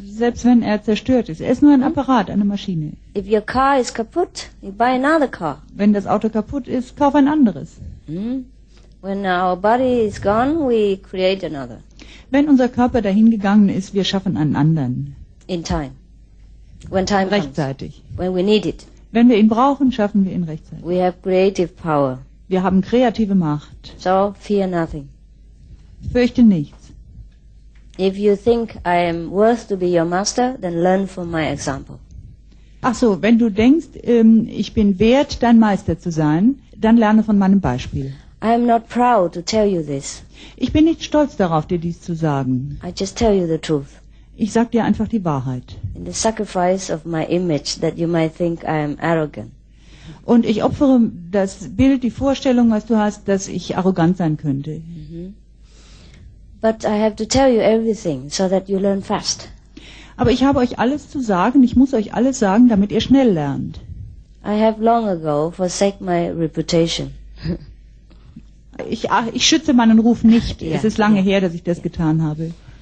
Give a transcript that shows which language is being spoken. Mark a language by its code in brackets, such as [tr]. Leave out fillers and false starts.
[de] Selbst wenn er zerstört ist, er ist nur ein Apparat, eine Maschine. [en] If your car is kaputt, you buy another car. [de] Wenn das Auto kaputt ist, kauf ein anderes. [en] When our body is gone, we create another. [de] Wenn unser Körper dahin gegangen ist, wir schaffen einen anderen. [en] In time. When time [de] rechtzeitig. [en] Comes. When we need it. [de] Wenn wir ihn brauchen, schaffen wir ihn rechtzeitig. [en] We have creative power. [de] Wir haben kreative Macht. [en] So fear nothing. [de] Fürchte nichts. [en] If you think I am worth to be your master, then learn from my example. [de] Ach so, wenn du denkst, ich bin wert, dein Meister zu sein, dann lerne von meinem Beispiel. [en] I am not proud to tell you this. [de] Ich bin nicht stolz darauf, dir dies zu sagen. [en] I just tell you the truth. [de] Ich sag dir einfach die Wahrheit. [en] In the sacrifice of my image that you might think I am arrogant. [de] Und ich opfere das Bild, die Vorstellung, was du hast, dass ich arrogant sein könnte. [en] But I have to tell you everything so that you learn fast. [de] Aber ich habe euch alles zu sagen, ich muss euch alles sagen, damit ihr schnell lernt. [en] I have long ago forsaken my reputation. [de] Ich schütze meinen Ruf nicht. Yeah, es ist lange her, dass ich das getan habe.